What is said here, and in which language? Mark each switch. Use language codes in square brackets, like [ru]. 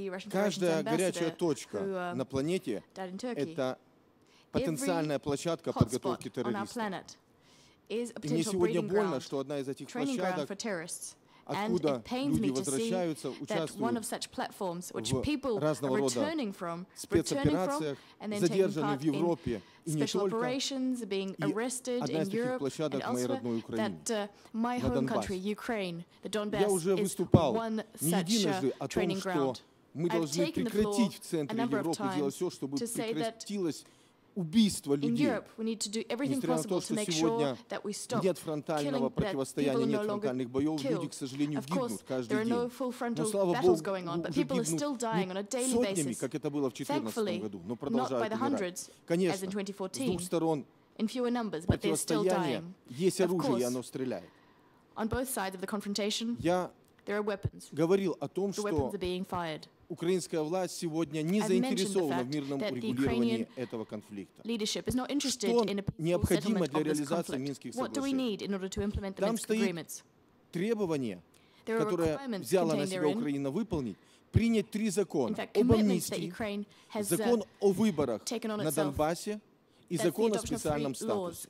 [ru] Каждая горячая точка на планете – это потенциальная площадка подготовки террористов. И мне сегодня больно, что одна из этих площадок, откуда люди возвращаются, участвуют в разного рода спецоперациях, задержаны в Европе, [en] special operations, being arrested in Europe and elsewhere, that my home country, Ukraine, the Donbass, is one such training ground. I've taken the floor a number of times to say that in Europe, we need to do everything possible to make sure that we stop killing, that people no longer kill. Of course, there are no full frontal battles going on, but people are still dying on a daily basis. Thankfully, not by the hundreds, as in 2014, in fewer numbers, but they're still dying. Of course, on both sides of the confrontation, there are weapons. The weapons are being fired. [ru] Украинская власть сегодня не заинтересована в мирном урегулировании этого конфликта. Что необходимо для реализации Минских соглашений? Там стоит требование, которое взяла на себя Украина выполнить, принять три закона об амнистии, закон о выборах на Донбассе и закон о специальном статусе.